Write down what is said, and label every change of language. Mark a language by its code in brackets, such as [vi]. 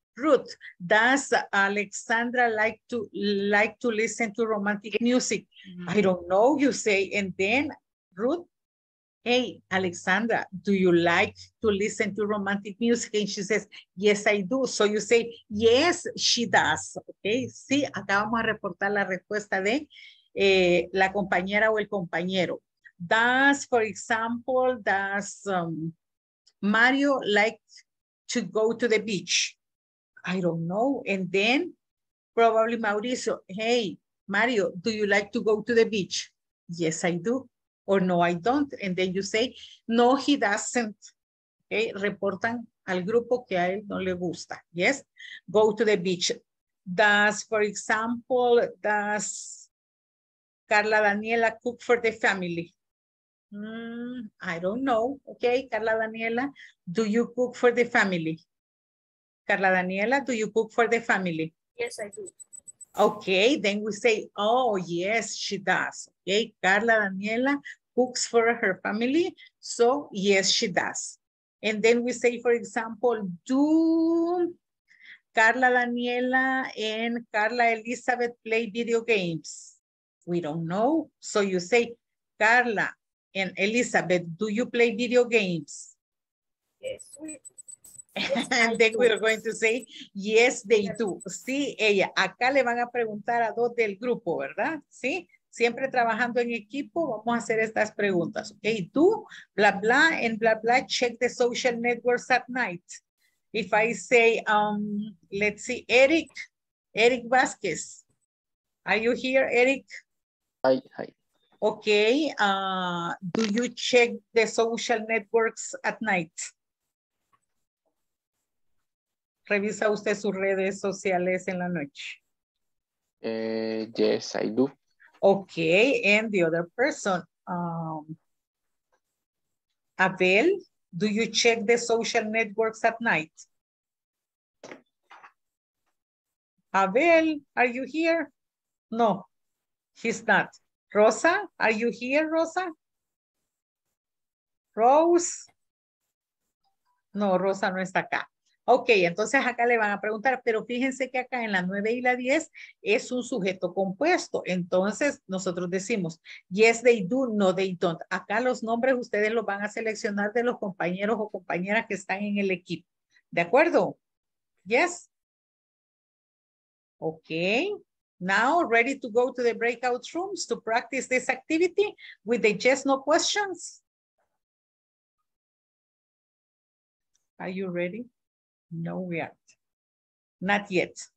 [en] Ruth, does Alexandra like to listen to romantic music? Mm-hmm. I don't know, you say. And then, Ruth, hey, Alexandra, do you like to listen to romantic music? And she says, yes, I do. So you say, yes, she does. [es] Okay, sí, acá vamos a reportar la respuesta de la compañera o el compañero. [en] Does, for example, does Mario like to go to the beach? I don't know. And then probably Mauricio, hey, Mario, do you like to go to the beach? Yes, I do. Or no, I don't. And then you say, no, he doesn't. [es] Okay, reportan al grupo que a él no le gusta. [en] Yes, go to the beach. Does, for example, does Carla Daniela cook for the family? I don't know. Okay, Carla Daniela, do you cook for the family? Carla Daniela, do you cook for the family? Yes, I do. Okay, then we say, oh, yes, she does. Okay, Carla Daniela cooks for her family. So, yes, she does. And then we say, for example, do Carla Daniela and Carla Elizabeth play video games? We don't know. So you say, Carla and Elizabeth, do you play video games? Yes, we do. And then we're going to say, yes, they do. [es] Sí, ella. Acá le van a preguntar a dos del grupo, ¿verdad? Sí. Siempre trabajando en equipo, vamos a hacer estas preguntas. [en] Okay, do, blah, blah, and blah, blah, check the social networks at night. If I say, let's see, Eric Vázquez. Are you here, Eric? Hi, hi. Okay, do you check the social networks at night? [es] ¿Revisa usted sus redes sociales en la noche? [en] Yes, I do. Okay, and the other person. Abel, do you check the social networks at night? Abel, are you here? No, he's not. Rosa, are you here, Rosa? Rose? No, Rosa no está acá. [es] Ok, entonces acá le van a preguntar, pero fíjense que acá en la 9 y la 10 es un sujeto compuesto. Entonces nosotros decimos, [en] yes, they do, no, they don't. [es] Acá los nombres ustedes los van a seleccionar de los compañeros o compañeras que están en el equipo. ¿De acuerdo? [en] Yes. [es] Ok. [en] Now, ready to go to the breakout rooms to practice this activity with the yes, no questions. Are you ready? No, we aren't. Not yet.